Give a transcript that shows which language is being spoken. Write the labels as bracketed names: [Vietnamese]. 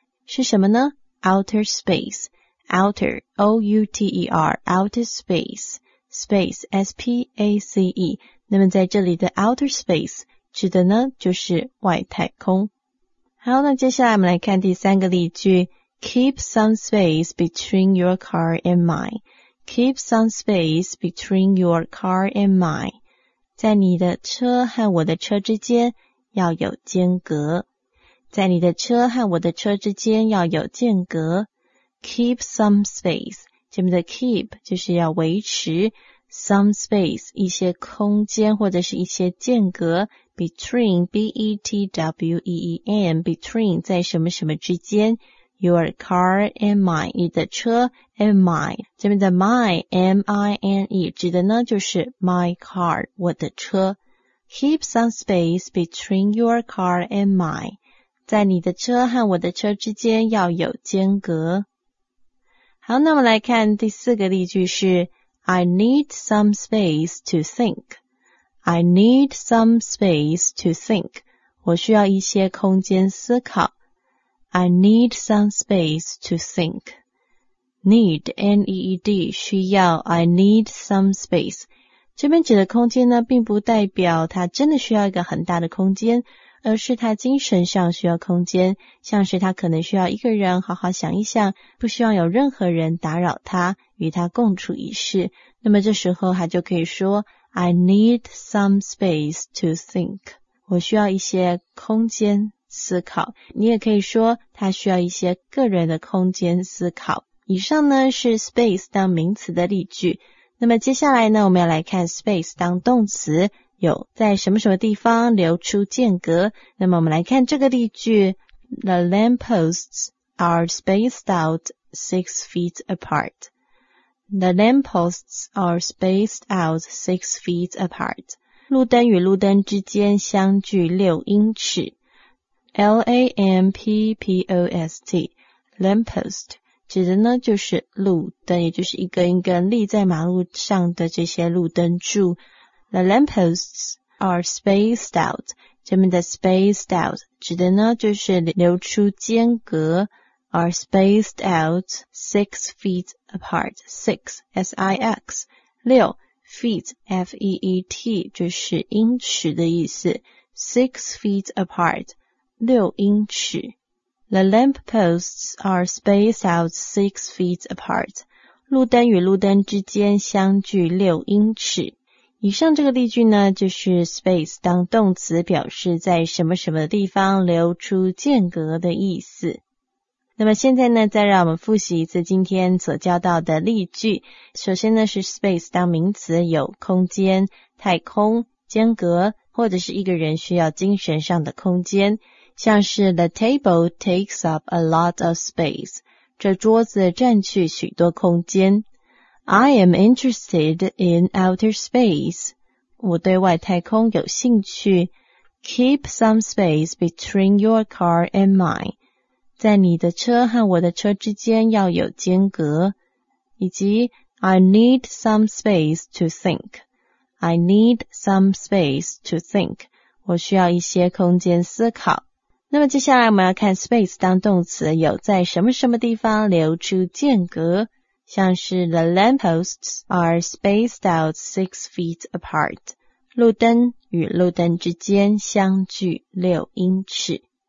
[Chinese] 是什么呢？ [English] Outer space. Outer, O-U-T-E-R, outer space. Space, S-P-A-C-E. [Chinese] 那么在这里的 outer space, 指的呢就是外太空。好，那接下来我们来看第三个例句。 [English] Keep some space between your car and mine. Keep some space between your car and mine. [Chinese] 在你的车和我的车之间要有间隔。在你的车和我的车之间要有间隔。 [English] Keep some space. [Chinese] 前面的 keep 就是要维持 [English] some space, [Chinese] 一些空间或者是一些间隔 between, B-E-T-W-E-E-N, between, 在什么什么之间。 [English] Your car and mine, [Chinese] 你的车 [English] and mine, [Chinese] 这边的 [English] mine, M-I-N-E, [Chinese] 指的呢就是 [English] my car, [Chinese] 我的车。 [English] Keep some space between your car and mine, [Chinese] 在你的车和我的车之间要有间隔。好，那么来看第四个例句是 [English] I need some space to think. I need some space to think. [Chinese] 我需要一些空间思考。 [English] I need some space to think. Need, N-E-E-D, 需要 I need some space. [Chinese] 这边指的空间呢，并不代表他真的需要一个很大的空间，而是他精神上需要空间，像是他可能需要一个人好好想一想，不希望有任何人打扰他，与他共处一室。那么这时候他就可以说 [English] I need some space to think. [Chinese] 我需要一些空间思考，你也可以说他需要一些个人的空间思考。以上呢是 space 当名词的例句。那么接下来呢，我们要来看 space 当动词，有在什么什么地方留出间隔。那么我们来看这个例句， [English] The lampposts are spaced out 6 feet apart. The lampposts are spaced out 6 feet apart. [Chinese] 路灯与路灯之间相距6英尺。 [English] L-A-M-P-P-O-S-T, lamppost, [Chinese] 指的呢就是路灯，也就是一根一根立在马路上的这些路灯柱。 [English] The lampposts are spaced out. [Chinese] 这边的 spaced out 指的呢就是留出间隔。 [English] Are spaced out 6 feet apart. [Chinese] 6 6 feet feet 就是英尺的意思。 [English] 6 feet apart 6英尺。 The lamp posts are spaced out 6 feet apart. [Chinese] 路灯与路灯之间相距6英尺。以上这个例句呢，就是 space 当动词表示在什么什么地方留出间隔的意思。那么现在呢，再让我们复习一次今天所教到的例句。首先呢，是 space 当名词，有空间、太空、间隔，或者是一个人需要精神上的空间。像是 [English] the table takes up a lot of space， [Chinese] 这桌子占据许多空间。 [English] I am interested in outer space， [Chinese] 我对外太空有兴趣。 [English] Keep some space between your car and mine， [Chinese] 在你的车和我的车之间要有间隔。以及 [English] I need some space to think， I need some space to think， [Chinese] 我需要一些空间思考。那么接下来我们要看 space 当动词，有在什么什么地方留出间隔，像是 [English] the lampposts are spaced out 6 feet apart， [Chinese] 路灯与路灯之间相距6英尺。